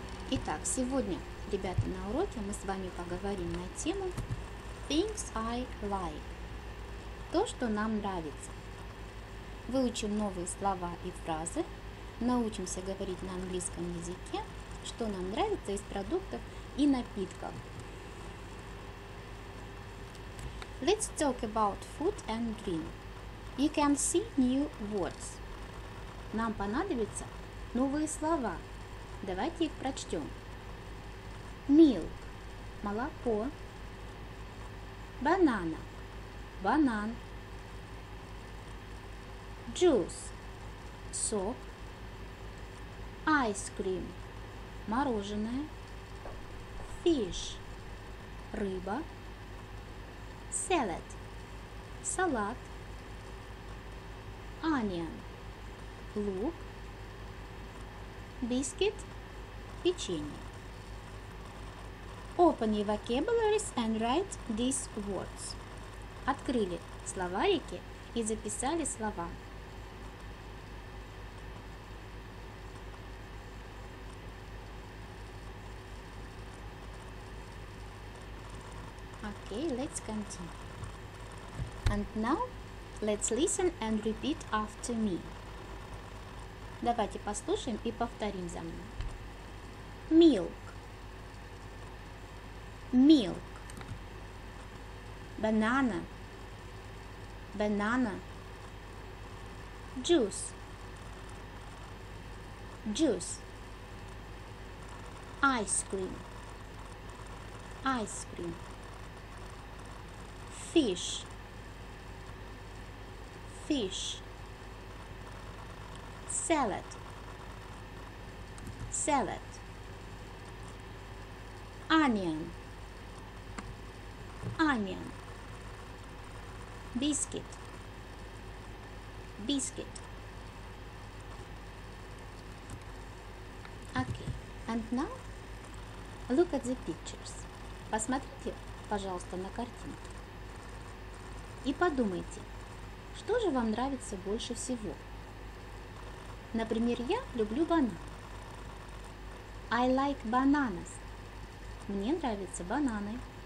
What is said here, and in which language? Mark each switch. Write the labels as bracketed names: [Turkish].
[Russian] Итак, сегодня, ребята, на уроке мы с вами поговорим на тему [English] Things I like. [Russian] То, что нам нравится. Выучим новые слова и фразы. Научимся говорить на английском языке, что нам нравится из продуктов и напитков. [English] Let's talk about food and drink. You can see new words. [Russian] Нам понадобятся новые слова. Давайте их прочтем. [English] Milk [Russian] – молоко. [English] Banana [Russian] – банан. [English] Juice [Russian] – сок. [English] Ice cream [Russian] – мороженое. [English] Fish [Russian] – рыба. [English] Salad [Russian] – салат. [English] Onion [Russian] – лук, [English] biscuit [Russian] – печенье. [English] Open your vocabularies and write these words. [Russian] Открыли словарики и записали слова. [English] Okay, let's continue. And now let's listen and repeat after me. [Russian] Давайте послушаем и повторим за мной. [English] Milk. Milk. Banana. Banana. Juice. Juice. Ice cream. Ice cream. Fish. Fish. Salad. Salad. Onion. Onion. Biscuit. Biscuit. Okay. And now look at the pictures. [Russian] Посмотрите, пожалуйста, на картинки. И подумайте. Что же вам нравится больше всего? Например, я люблю бананы. [English] I like bananas. [Russian] Мне нравятся бананы.